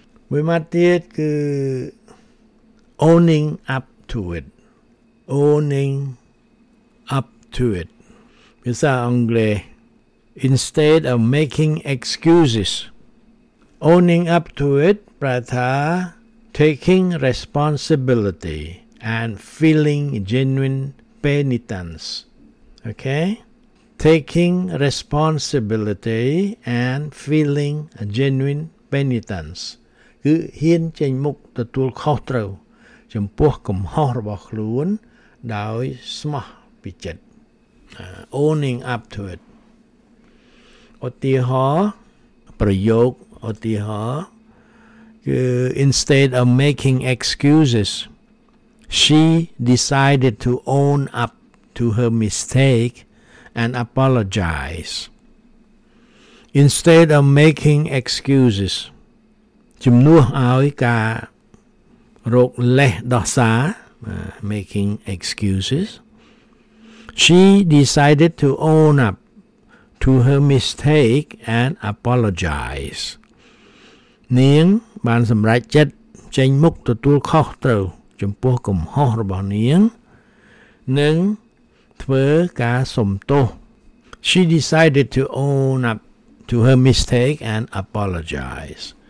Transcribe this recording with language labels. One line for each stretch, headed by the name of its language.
Khmer: មួយមកទៀតគឺ
English: owning up to it owning up to it
Khmer: ភាសាអង់គ្លេស
English: instead of making excuses owning up to it
Khmer: ប្រែថា
English: taking responsibility and feeling genuine penitenceOkay, taking responsibility and feeling a genuine penitence.
Khmer: គឺហ៊ានចេញមុខទទួលខុសត្រូវចំពោះកំហុសរបស់ខ្លួនដោយស្មោះពីចិត្ត
English: owning up to it.
Khmer: ឧទាហរណ៍ប្រយោគឧទាហរណ៍គឺ
English: instead of making excuses, she decided to own upto her mistake and apologize. Instead of making excuses,
Khmer: ជំនួសឲ្យការរកលេសដោះសារ
English: making excuses, she decided to own up to her mistake and apologize.
Khmer: នាងបានសម្រេចចិត្តចេញមុខទទួលខុសត្រូវចំពោះកំហុសរបស់នាងនឹងធ្វើការសុំទោស
English: She decided to own up to her mistake and apologize.